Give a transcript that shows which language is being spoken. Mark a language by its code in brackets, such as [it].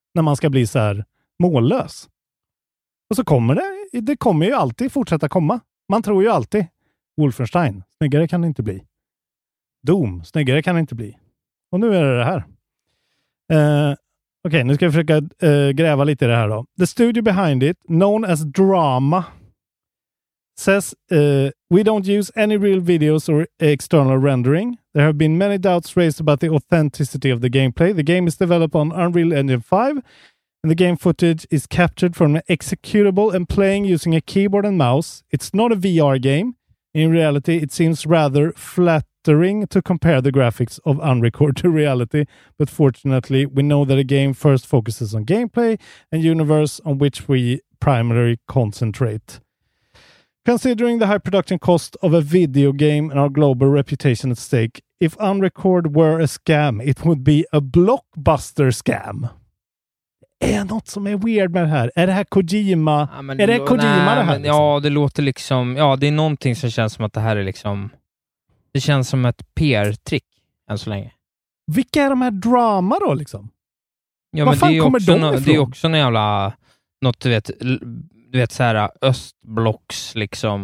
[sv] När man ska bli så här mållös. Och så kommer det... Det kommer ju alltid fortsätta komma. Man tror ju alltid. Wolfenstein, snyggare kan det inte bli. Doom, snyggare kan det inte bli. Och nu är det här. Okej, nu ska jag försöka gräva lite i det här då. [en] The studio behind it, known as Drama, says we don't use any real videos or external rendering. There have been many doubts raised about the authenticity of the gameplay. The game is developed on Unreal Engine 5 and the game footage is captured from an executable and playing using a keyboard and mouse. It's not a VR game. In reality, it seems rather flat. The ring to compare the graphics of Unrecord to reality, but fortunately we know that a game first focuses on gameplay and universe on which we primarily concentrate. Considering the high production cost of a video game and our global reputation at stake, if Unrecord were a scam, it would be a blockbuster scam. [sv] är något som är weird med det här. Är det här Kojima? Ja, det låter liksom, ja, det är någonting som känns som att det här är liksom, det känns som ett PR-trick än så länge. Vilka är de här drama då liksom? Ja, men det är också de det är också en jävla något, du vet så här östblocks liksom.